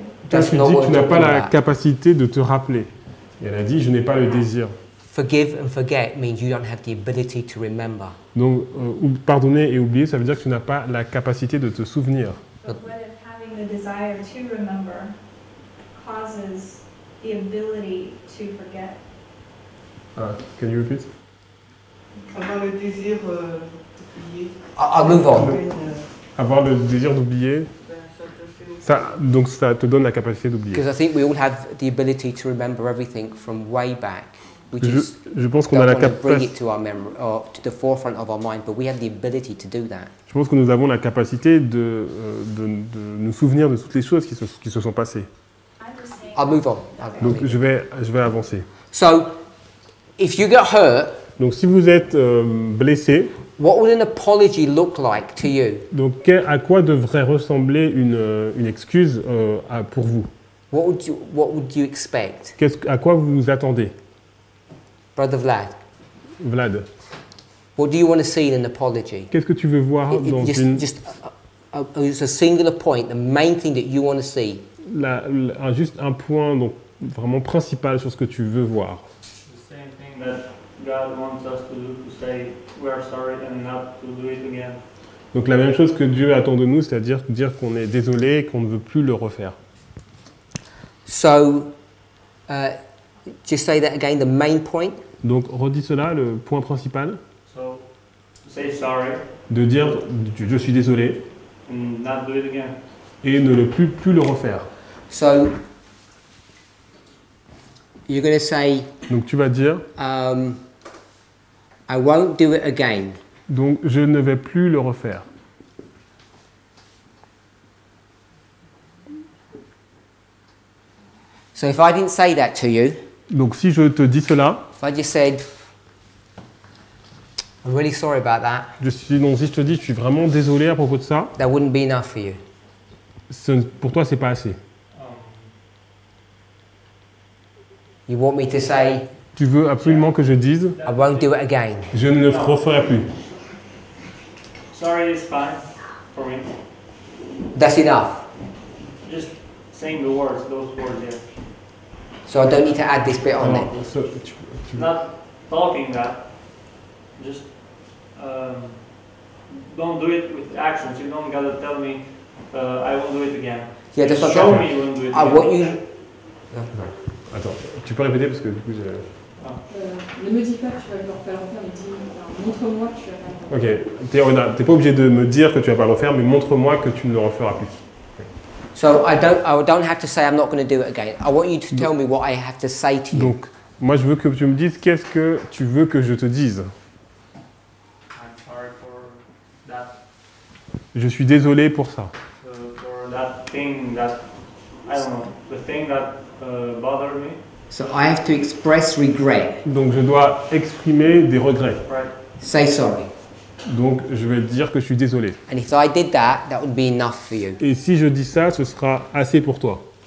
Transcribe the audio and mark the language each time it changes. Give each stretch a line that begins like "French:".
French: Parce que tu n'as pas la capacité de te rappeler. Et elle a dit, je n'ai pas le désir.
English: Forgive and forget means you don't have the ability to remember.
French: Donc, pardonner et oublier, ça veut dire que tu n'as pas la capacité de te souvenir.
English: But what if having the desire to remember causes the ability to forget? Can you repeat?
French: Avoir le désir d'oublier.
English: I'll move on.
French: Avoir le désir d'oublier. Ça, donc ça te donne la capacité d'oublier.
English: Because I think we all have the ability to remember everything from way back, which
French: je pense qu'on a la capacité
English: to our memory or to the forefront of our mind, but we have the ability to do that.
French: Je pense que nous avons la capacité de nous souvenir de toutes les choses qui se sont passées.
English: I'll move on.
French: Donc je vais avancer.
English: So if you get hurt,
French: donc si vous êtes blessé,
English: what would an apology look like to you?
French: Donc à quoi devrait ressembler une excuse pour vous?
English: What would you expect?
French: À quoi vous vous attendez?
English: Brother Vlad. Vlad. What do you want to see in an apology?
French: Qu'est-ce que tu veux voir dans
English: just,
French: une
English: just It's a singular point, the main thing that you want to see.
French: Juste un point donc vraiment principal sur ce que tu veux voir.
English: The same thing that God wants us to do, to say we are sorry and not to do it again.
French: Donc la même chose que Dieu attend de nous, c'est-à-dire dire qu'on est désolé et qu'on ne veut plus le refaire.
English: So, just say that again, the main point.
French: Donc redis cela, le point principal.
English: So, to say sorry.
French: De dire je suis désolé.
English: And not do it again.
French: Et ne plus le refaire.
English: So, you're gonna say.
French: Donc tu vas dire.
English: I won't do it again.
French: Donc, je ne vais plus le refaire.
English: So if I didn't say that to you,
French: donc, si je te dis cela,
English: if I just said, I'm really sorry about that,
French: je suis vraiment désolé à propos de ça,
English: that wouldn't be enough for you.
French: Pour toi, ce n'est pas assez.
English: You want me to say,
French: tu veux absolument que je dise,
English: I won't do it again.
French: Je ne le referai plus.
English: Sorry is fine for me. That's enough. Just saying the words, those words, yeah. So I don't need to add this bit on it. So, not talking that. Just don't do it with actions. You don't gotta tell me I won't do it again. Yeah, just show me you won't do it again. I want you.
French: Attends, tu peux répéter parce que du coup j'ai. Ne me dis pas que tu vas le refaire, mais montre-moi que tu vas le refaire. Ok, tu n'es pas obligé de me dire que tu ne vas pas le refaire, mais montre-moi que tu ne le referas plus.
English: So I don't have to say I'm not going to do it again. I want you to tell me what I have to say to you.
French: Donc, moi je veux que tu me dises qu'est-ce que tu veux que je te dise.
English: I'm sorry for that.
French: Je suis désolé pour ça.
English: For that thing that, I don't know, the thing that bothered me. So I have to express regret.
French: Donc je dois exprimer des regrets.
English: Right. Say sorry.
French: Donc je vais dire que je suis désolé.
English: And if I did that, that would be enough for you.
French: Et si je dis ça, ce sera assez pour toi.